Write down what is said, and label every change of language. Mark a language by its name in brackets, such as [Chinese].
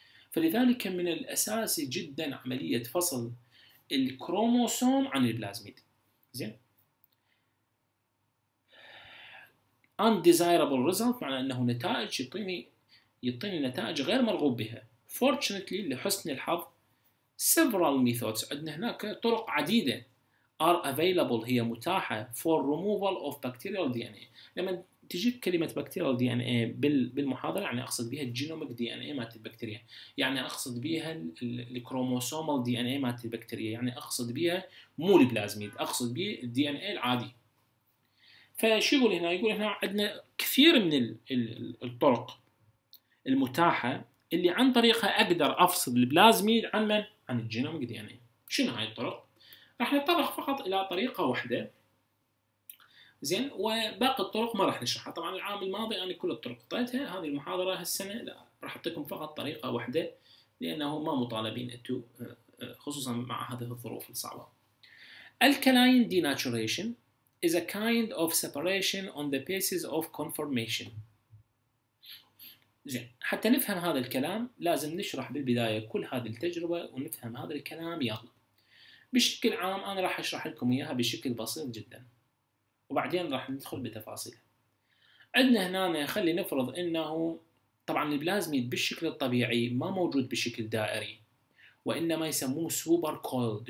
[Arabic] فلذلك من الأساس جدا عملية فصل الكروموسوم عن البلازميد. زين [English] undesirable result [Arabic] معناه أنه نتائج يعطيني نتائج غير مرغوب بها. [English] fortunately [Arabic] لحسن الحظ [English] several methods [Arabic] عندنا هناك طرق عديدة [English] are available [Arabic] هي متاحة [English] for removal of bacterial DNA. [Arabic] لما تجيك كلمة bacterial DNA بالمحاضرة يعني أقصد بها genomic DNA مات البكتيريا، يعني أقصد بها الكروموسومال DNA مات البكتيريا، يعني أقصد بها مو البلازميد، أقصد بها DNA العادي. فشو يقول هنا؟ يقول هنا عندنا كثير من الطرق المتاحة اللي عن طريقها أقدر أفصل البلازميد عن من؟ عن الجينوميك دي ان اي. شنو هاي الطرق؟ راح نتطرق فقط إلى طريقة واحدة. زين وباقي الطرق ما راح نشرحها، طبعا العام الماضي أنا كل الطرق قطعتها، هذه المحاضرة هالسنة لا، راح أعطيكم فقط طريقة واحدة لأنه ما مطالبين أنتوا خصوصا مع هذه الظروف الصعبة. [English] الكلاين denaturation is a kind of separation on the basis of conformation. [Arabic] زين حتى نفهم هذا الكلام لازم نشرح بالبداية كل هذه التجربة ونفهم هذا الكلام يلا. بشكل عام أنا راح أشرح لكم إياها بشكل بسيط جدا وبعدين راح ندخل بتفاصيلها. عندنا هنا خلي نفرض إنه طبعا البلازميد بالشكل الطبيعي ما موجود بشكل دائري وإنما يسموه سوبر كويلد.